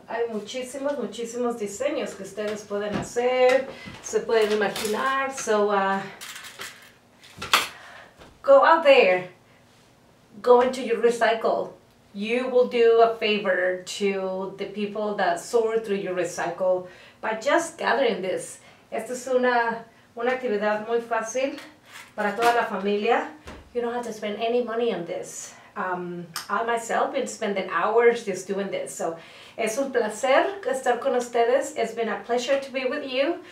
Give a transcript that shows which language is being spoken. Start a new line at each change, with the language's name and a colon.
Spanish: Hay muchísimos, muchísimos diseños que ustedes pueden hacer, se pueden imaginar.
English: So go out there, go into your recycle. You will do a favor to the people that sort through your recycle by just gathering this.
Spanish: Esta es una actividad muy fácil para toda la familia.
English: You don't have to spend any money on this. I myself been spending hours just doing this. So,
Spanish: es un placer estar con ustedes.
English: It's been a pleasure to be with you.